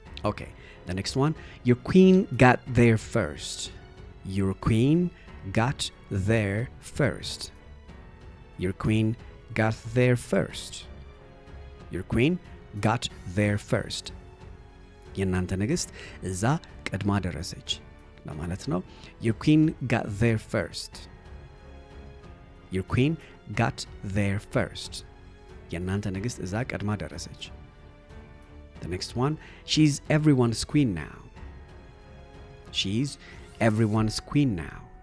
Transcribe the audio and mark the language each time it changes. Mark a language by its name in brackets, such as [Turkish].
[English] Okay, the next one. Your queen got there first. Your queen got there first. Your queen got there first. Your queen got there first. [Amharic] የናንተ ንግስት እዛ ቀድማ ደረሰች ለማለት ነው. [English] Your queen got there first. Your queen got there first. [Amharic] የናንተ ንግስት እዛ ቀድማ ደረሰች. [English] The next one, she's everyone's queen now. She's everyone's queen now.